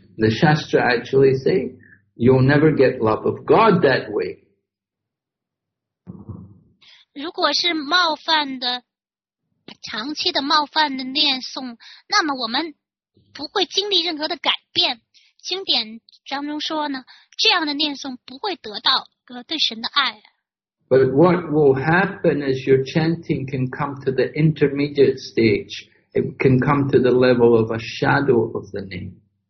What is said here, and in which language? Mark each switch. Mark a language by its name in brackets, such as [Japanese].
[English] The Shastra actually say, you'll never get love of God that way. [Chinese] 如果是冒犯的、长期的冒犯的念诵，那么我们不会经历任何的改变。经典当中说呢，这样的念诵不会得到对神的爱。 [English] But what will happen is your chanting can come to the intermediate stage. It can come to the level of a shadow of the name.